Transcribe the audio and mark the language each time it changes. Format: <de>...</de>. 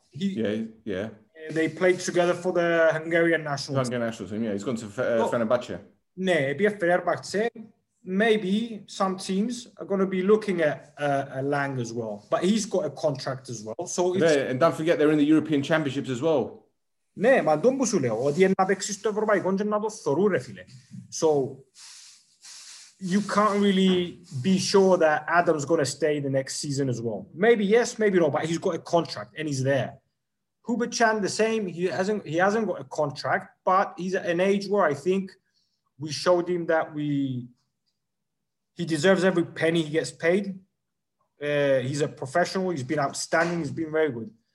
<en>They played together for the Hungarian national team. Hungarian national team, yeah. He's going to Fenerbahce. No, be a Fenerbahce. Maybe some teams are going to be looking at Lang as well. But he's got a contract as well. So And don't forget, they're in the European Championships as well.</en> <el>Ναι, μα αυτό που σου λέω, ότι είναι να παίξεις το ευρωπαϊκό και να το θωρούν, ρε φίλε.</el> <en>So, you can't really be sure that Adam's going to stay the next season as well. Maybe yes, maybe no, but he's got a contract and he's there. Hubert Chan, the same. He hasn't got a contract, but he's at an age where I think we showed him that he deserves every penny he gets paid. He's a professional. He's been outstanding. He's been very good.</en>